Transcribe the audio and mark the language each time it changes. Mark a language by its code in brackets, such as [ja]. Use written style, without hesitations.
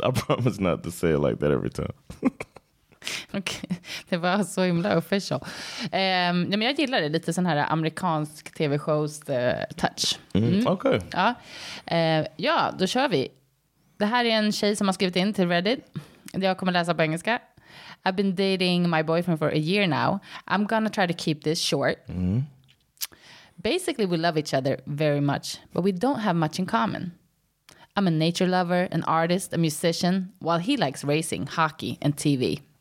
[en] I promise not to say it like that every time. [sv] Okej, det var så himla official. Ja, men jag gillar det, lite sån här amerikansk tv-shows touch. Okej. Ja, då kör vi. Det här är en tjej som har skrivit in till Reddit. Det jag kommer läsa på engelska. [en] I've been dating my boyfriend for a year now. I'm gonna try to keep this short. Basically, we love each other very much, but we don't have much in common. I'm a nature lover, an artist, a musician, while he likes racing, hockey, and TV.